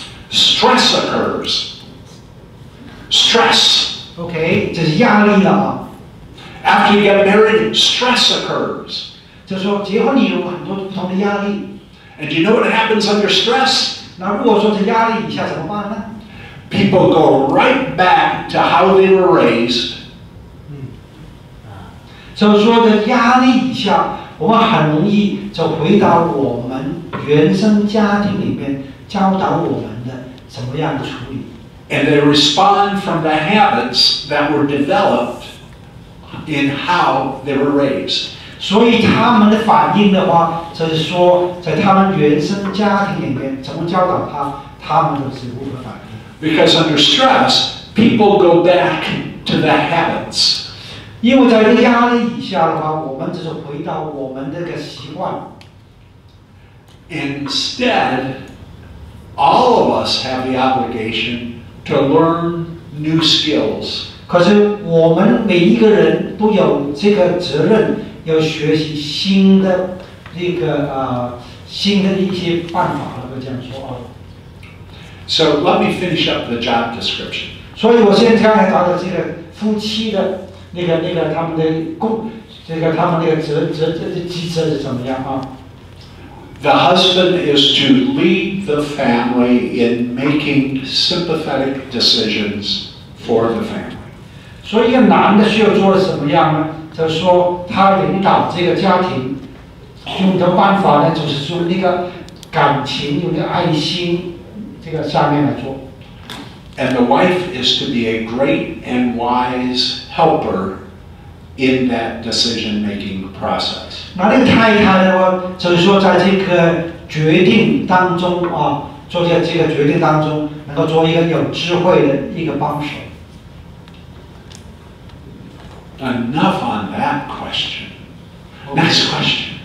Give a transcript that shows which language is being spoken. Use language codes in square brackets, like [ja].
[en] Stress occurs. Stress. [zh] Okay, 这是压力了。 [en] After you get married, stress occurs. [zh] 就说结婚你有很多不同的压力。 [en] And you know what happens under stress? [zh] 那如果说在压力以下怎么办呢？ [en] People go right back to how they were raised. [zh] 所以说在压力以下，我们很容易就回到我们原生家庭里面教导我们的怎么样处理。 [en] And they respond from the habits that were developed in how they were raised. [zh] 所以他们的反应的话，就是说在他们原生家庭里面怎么教导他，他们都是无可反应。 [en] Because under stress, people go back to the habits. [zh] 因为在压力以下的话，我们就是回到我们这个习惯。 [en] Instead, all of us have the obligation to learn new skills. [zh] 可是我们每一个人都有这个责任，要学习新的这个新的一些办法，能够这样说啊。 [en] So let me finish up the job description. [zh] 所以我现在刚才讲的这个夫妻的那个他们的工，这个他们那个职责机制是怎么样啊？ [en] The husband is to lead the family in making sympathetic decisions for the family. [zh] 所以一个男的需要做的什么样呢？就是说他领导这个家庭，用的办法呢，就是说那个感情，用的爱心，这个下面来做。 [en] And the wife is to be a great and wise helper. In that decision-making process. [zh] 那个太太的话，就是说在这个决定当中啊，做这个决定当中，能够做一个有智慧的一个帮手。 [en] Enough on that question. Next question.